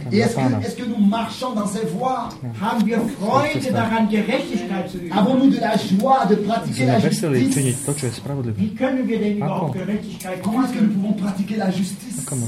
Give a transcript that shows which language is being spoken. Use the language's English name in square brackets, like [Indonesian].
[French] Et est-ce que nous marchons dans ses voies? [German] Haben wir Freude daran, Gerechtigkeit zu üben? [French] Avons-nous de la joie de pratiquer la justice? [German] Wie können wir denn überhaupt Gerechtigkeit üben? [French] Comment est-ce que nous pouvons pratiquer la justice?